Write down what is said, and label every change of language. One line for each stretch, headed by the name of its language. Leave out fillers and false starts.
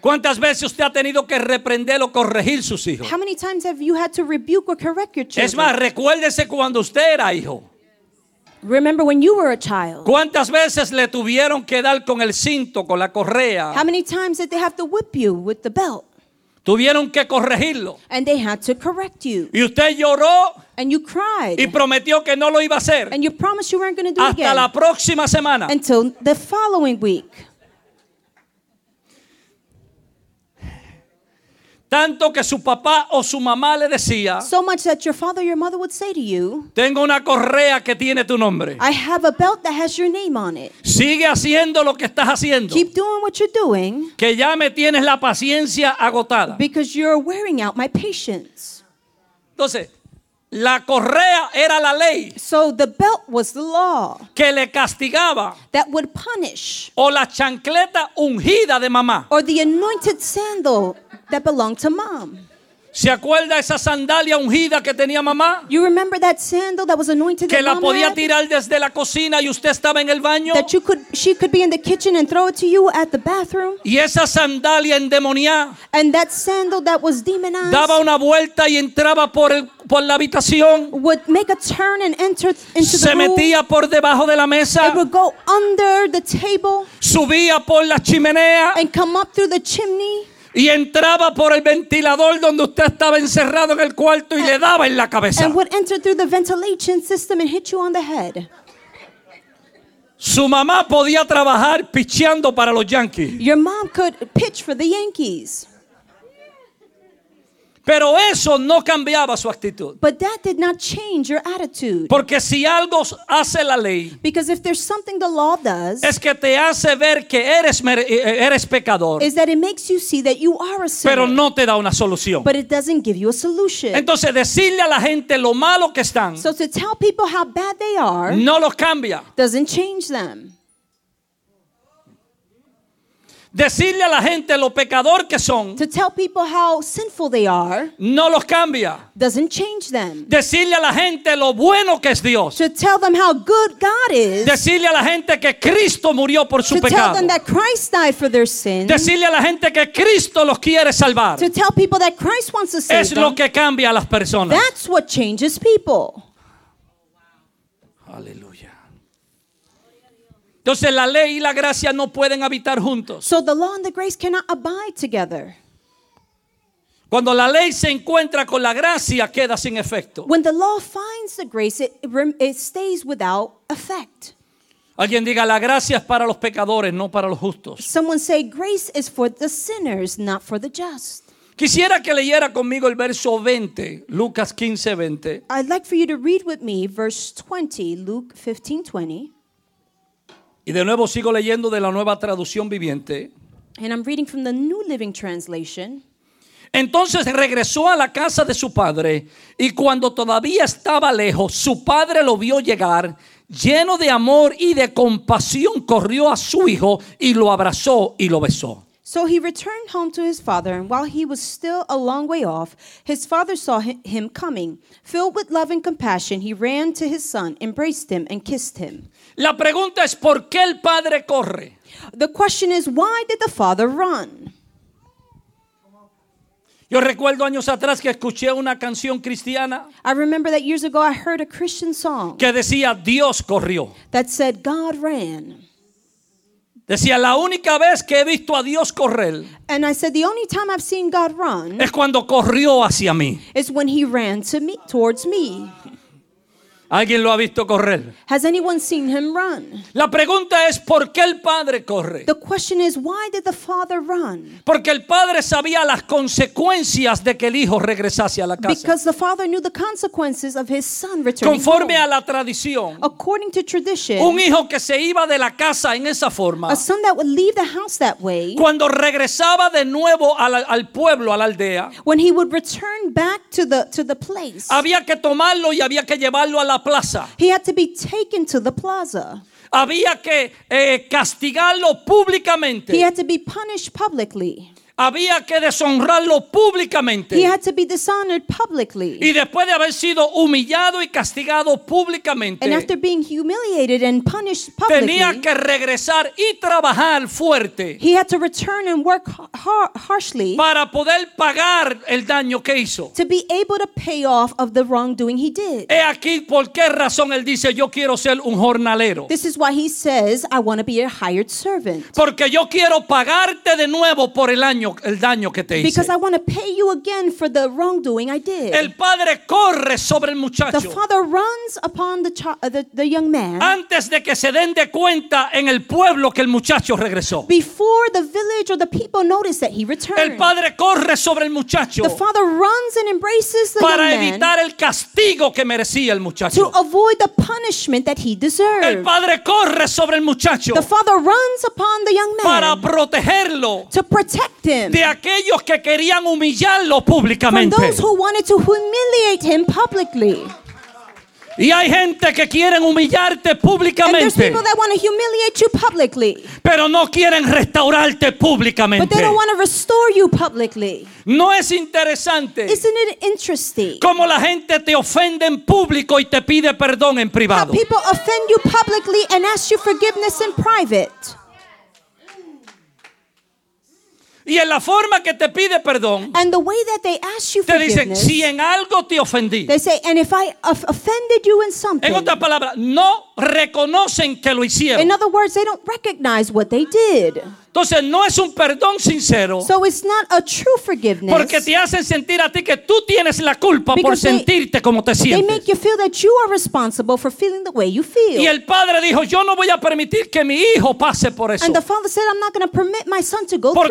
Spanish: ¿Cuántas veces usted ha tenido que reprender o corregir sus hijos?
English: How many times have you had to rebuke or correct your children?
Spanish: Es más, recuérdese cuando usted era hijo.
English: Remember when you were a child.
Spanish: ¿Cuántas veces le tuvieron que dar con el cinto, con la correa?
English: How many times did they have to whip you with the belt?
Spanish: Tuvieron que corregirlo.
English: And they had to correct you.
Spanish: Y usted lloró.
English: And you cried.
Spanish: Y prometió que no lo iba a hacer.
English: And you promised you weren't going to do
Spanish: hasta
English: it again.
Spanish: Hasta la próxima semana.
English: Until the following week.
Spanish: Tanto que su papá o su mamá le decía,
English: so much that your father or your mother would say to you,
Spanish: tengo una correa que tiene tu nombre.
English: I have a belt that has your name on it.
Spanish: Sigue haciendo lo que estás haciendo.
English: Keep doing what you're doing.
Spanish: Que ya me tienes la paciencia agotada.
English: Because you're wearing out my patience.
Spanish: Entonces, la correa era la ley.
English: So the belt was the law.
Spanish: Que le castigaba.
English: That would punish.
Spanish: O la chancleta ungida de mamá.
English: Or the anointed sandal that belonged to mom.
Spanish: ¿Se acuerda esa sandalia ungida que tenía mamá?
English: You remember that sandal that was anointed
Spanish: que
English: that
Spanish: la podía
English: had?
Spanish: Tirar desde la cocina y usted estaba en el baño.
English: That you could, she could be in the kitchen and throw it to you at the bathroom.
Spanish: Y esa sandalia endemoniada.
English: And that sandal that was demonized.
Spanish: Daba una vuelta y entraba por el por la habitación.
English: Would make a turn and enter into the room.
Spanish: Se metía por debajo de la mesa.
English: It would go under the table.
Spanish: Subía por la chimenea.
English: And come up through the chimney.
Spanish: Y entraba por el ventilador donde usted estaba encerrado en el cuarto y le daba en la cabeza.
English: And would enter through the ventilation system and hit you on the head.
Spanish: Su mamá podía trabajar picheando para los Yankees.
English: Your mom could pitch for the Yankees.
Spanish: Pero eso no cambiaba su actitud.
English: But that did not change your attitude.
Spanish: Porque si algo hace la ley,
English: because if there's something the law does,
Spanish: es que te hace ver que eres pecador,
English: is that it makes you see that you are a sinner.
Spanish: Pero no te da una solución.
English: But it doesn't give you a solution.
Spanish: Entonces decirle a la gente lo malo que están,
English: so to tell people how bad they are,
Spanish: no los cambia.
English: Doesn't change them.
Spanish: Decirle a la gente lo pecador que son,
English: to tell people how sinful they are,
Spanish: no los cambia.
English: Doesn't change them.
Spanish: Decirle a la gente lo bueno que es Dios,
English: to tell them how good God is.
Spanish: Decirle a la gente que Cristo murió por su
English: to
Spanish: pecado,
English: to tell them that Christ died for their sins.
Spanish: Decirle a la gente que Cristo los quiere salvar,
English: to tell people that Christ wants to save them.
Spanish: Es lo que cambia a las personas.
English: That's what changes people.
Spanish: Aleluya. Entonces la ley y la gracia no pueden habitar juntos.
English: So the law and the grace cannot abide together.
Spanish: Cuando la ley se encuentra con la gracia, queda sin efecto.
English: When the law finds the grace, it stays without effect.
Spanish: Alguien diga, la gracia es para los pecadores, no para los justos.
English: Someone say, grace is for the sinners, not for the just.
Spanish: Quisiera que leyera conmigo el verso 20, Lucas 15, 20.
English: I'd like for you to read with me verse 20, Luke 15, 20.
Spanish: Y de nuevo sigo leyendo de la Nueva Traducción Viviente.
English: And I'm reading from the New Living Translation.
Spanish: Entonces regresó a la casa de su padre, y cuando todavía estaba lejos, su padre lo vio llegar, lleno de amor y de compasión, corrió a su hijo y lo abrazó y lo besó.
English: So he returned home to his father, and while he was still a long way off, his father saw him coming. Filled with love and compassion, he ran to his son, embraced him, and kissed him.
Spanish: La pregunta es, ¿por qué el padre corre?
English: The question is, why did the father run?
Spanish: Yo recuerdo años atrás que escuché una canción cristiana.
English: I remember that years ago I heard a Christian song.
Spanish: Que decía, Dios corrió.
English: That said, God ran.
Spanish: Decía, la única vez que he visto a Dios correr,
English: and I said, the only time I've seen God run,
Spanish: es cuando corrió hacia mí.
English: Is when he ran to me, towards me.
Spanish: ¿Alguien lo ha visto correr?
English: Has anyone seen him run?
Spanish: La pregunta es, ¿por qué el padre corre?
English: The question is, why did the father run?
Spanish: Porque el padre sabía las consecuencias de que el hijo regresase a la casa.
English: Because the father knew the consequences of his son returning.
Spanish: Conforme a la tradición,
English: according to tradition,
Spanish: un hijo que se iba de la casa en esa forma,
English: a son that would leave the house that way,
Spanish: cuando regresaba de nuevo al pueblo, a la aldea,
English: when he would return back to the place,
Spanish: había que tomarlo y había que llevarlo a la plaza.
English: He had to be taken to the plaza.
Spanish: Había que castigarlo públicamente.
English: He had to be punished publicly.
Spanish: Había que deshonrarlo públicamente.
English: He had to be dishonored publicly.
Spanish: Y después de haber sido humillado y castigado públicamente,
English: and after being humiliated and punished publicly,
Spanish: tenía que regresar y trabajar fuerte.
English: He had to return and work harshly
Spanish: para poder pagar el daño que hizo.
English: To be able to pay off of the wrongdoing he did.
Spanish: He aquí por qué razón él dice, yo quiero ser un jornalero.
English: This is why he says, I want to be a hired servant.
Spanish: Porque yo quiero pagarte de nuevo por el daño que te hice.
English: Because I want to pay you again for the wrongdoing I did.
Spanish: El padre corre sobre el muchacho.
English: The father runs upon the young man.
Spanish: Antes de que se den de cuenta en el pueblo que el muchacho regresó.
English: Before the village or the people notice that he returned.
Spanish: El padre corre sobre el muchacho.
English: The father runs and embraces the
Spanish: para
English: young
Spanish: evitar
English: man
Spanish: el castigo que merecía el muchacho.
English: To avoid the punishment that he deserved.
Spanish: El padre corre sobre el muchacho.
English: The father runs upon the young man
Spanish: para protegerlo.
English: To protect him.
Spanish: De aquellos que querían humillarlo públicamente.
English: From those who wanted to humiliate him publicly.
Spanish: Y hay gente que quieren humillarte públicamente.
English: And there's people that want to humiliate you publicly.
Spanish: Pero no quieren restaurarte públicamente.
English: But they don't want to restore you publicly.
Spanish: No es interesante.
English: Isn't it interesting?
Spanish: Como la gente te ofende en público y te pide perdón en privado.
English: How people offend you publicly and ask you forgiveness in private.
Spanish: Y en la forma que te pide perdón,
English: and the way that they ask you
Spanish: te dicen, si en algo te ofendí.
English: They say, and if I offended you in something.
Spanish: En otras palabras, no reconocen que lo hicieron.
English: In other words, they don't recognize what they did.
Spanish: Entonces no es un perdón sincero.
English: So it's not a true forgiveness.
Spanish: Porque te hacen sentir a ti que tú tienes la culpa por sentirte como te sientes.
English: They make you feel that you are responsible for feeling the way you feel.
Spanish: Y el padre dijo, yo no voy a permitir que mi hijo pase por eso.
English: And the father said, I'm not going to permit my son to go through